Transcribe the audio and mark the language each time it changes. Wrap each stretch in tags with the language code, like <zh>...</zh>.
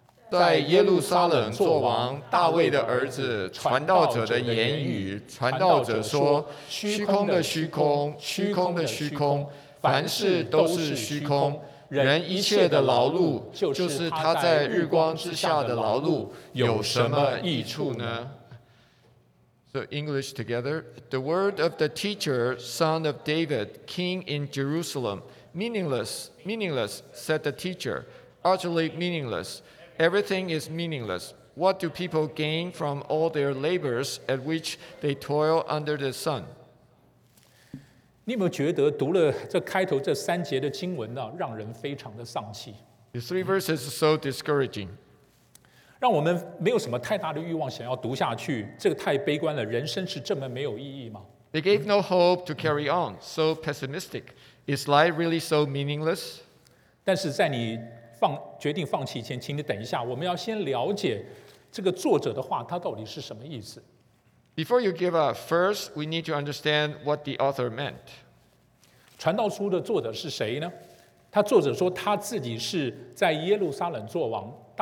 <zh>在耶路撒冷作王大卫的儿子传道者的言语，传道者说：虚空的虚空，虚空的虚空，凡事都是虚空。人一切的劳碌，就是他在日光之下的劳碌，有什么益处呢？</zh> <en>So English together, the word of the teacher, son of David, king in Jerusalem, meaningless, meaningless, said the teacher, utterly meaningless. Everything is meaningless. What do people gain from all their labors at which they toil under the sun?</en> <zh>你有没有觉得读了这开头这三节的经文呢，让人非常的丧气？</zh> <en>The three verses are so discouraging.</en> <zh>让我们没有什么太大的欲望想要读下去，这个太悲观了。人生是这么没有意义吗？</zh> <en>They gave no hope to carry on, so pessimistic. Is life really so meaningless?</en> <zh>但是在你决定放弃以前，请你等一下，我们要先了解这个作者的话，他到底是什么意思。</zh> <en>Before you give up, first we need to understand what the author meant.</en> <zh>传道书的作者是谁呢？他作者说他自己是在耶路撒冷作王。</zh>